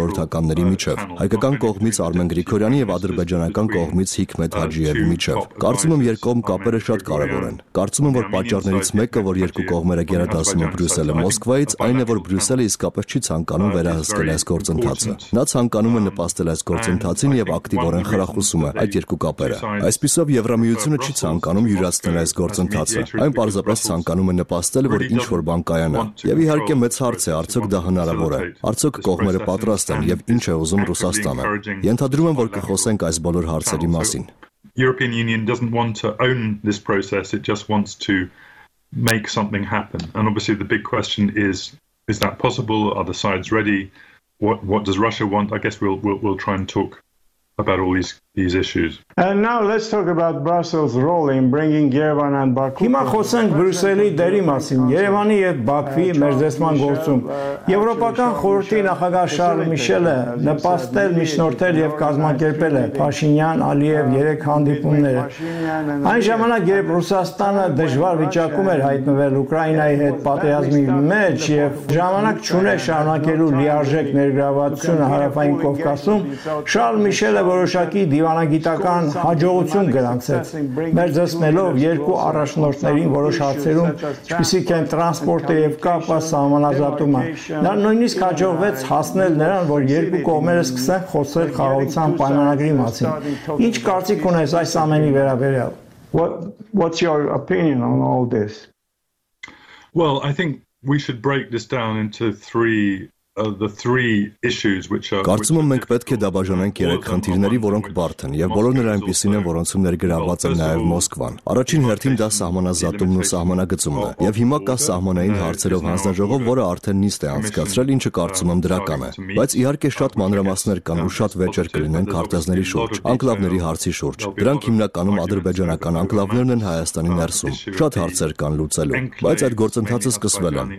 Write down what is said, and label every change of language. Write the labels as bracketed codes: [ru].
[hy] հորդականների միջև, հայկական կողմից Արմեն Գրիգորյանի եւ ադրբեջանական կողմից Հիքմետ Հաջիևի միջև։ Կարծում եմ, երկում կապերը շատ կարևոր են։ Կարծում եմ, որ պատճառներից մեկը, որ երկու կողմերը գերադասում են Բրյուսելը Մոսկվայից, այն է, որ Բրյուսելը իսկապես չի ցանկանում վերահսկել այս գործընթացը։ Նա ցանկանում է նպաստել այս գործընթացին եւ ակտիվորեն խրախուսում է այդ երկու կապերը։ Այսպիսով Եվրամիությունը չի ցանկանում յուրացնել այս գործընթացը, այն պարզապես ցանկանում է նպաստել, որ ինչ որ բան կայանա։ Եվ իհարկե մեծ հարց է, արդյոք դա հնարավոր է։ Արդյոք կողմերը պատրաստ և ինչ է ուզում Ռուսաստանը։ Ենթադրում եմ, որ կխոսենք այս բոլոր հարցերի մասին։ [en] European Union doesn't want to own this process, it just wants to make something happen. And obviously the big question is that possible? Are the sides ready? What does Russia want? I guess we'll try and talk about all these issues. And now let's talk about Brussels' role in bringing Yerevan and Baku. [hy] Հիմա խոսենք Բրյուսելի դերի մասին, Երևանի եւ Բաքվի մերձեցման գործում։ Եվրոպական խորհրդի նախագահ Շարլ Միշելը նպաստել միջնորդել եւ կազմակերպել է Փաշինյան, Ալիև երեք հանդիպումները։ Այն ժամանակ, երբ Ռուսաստանը դժվար վիճակում էր հայտնվել Ուկրաինայի հետ պատերազմի մեջ եւ ժամանակ չուներ շարունակելու լիարժեք ներգրավվածությունը Հարավային Կովկասում, Շարլ Միշելը որոշակի դիվանագիտական հաջողություն գրանցեց, մերձեցնելով երկու առաջնորդներին որոշ հարցերում, ինչպիսիք են տրանսպորտը եւ կապը սահմանազատումը։ Նա նույնիսկ հաջողվեց հասնել նրան, որ երկու կողմերը սկսեն խոսել խաղաղության պայմանագրի մասին։ Ինչ կարծիք ունես այս ամենի վերաբերյալ? [en] What's your opinion on all this? Well, I think we should break this down into three issues which are [hy] Կարծում եմ մենք պետք է դաբաժանենք երեք խնդիրների, որոնք բարդ են եւ բոլորն այնպիսին են, որոնցում ներգրավված է նաեւ Մոսկվան։ Առաջին հերթին դա սահմանազատումն ու սահմանագծումն է, եւ հիմա կա սահմանային հարցերով հանձնաժողով, որը արդեն նիստ է անցկացրել, ինչը կարծում եմ դրական է։ Բայց իհարկե շատ մանրամասներ կան ու շատ վեճեր կլինեն քարտեզների շուրջ, անկլավների հարցի շուրջ։ Դրանք հիմնականում ադրբեջանական անկլավներն են Հայաստանի ներսում։ Շատ հարցեր կան լուծելու, բայց այդ գործընթացը սկսվել է։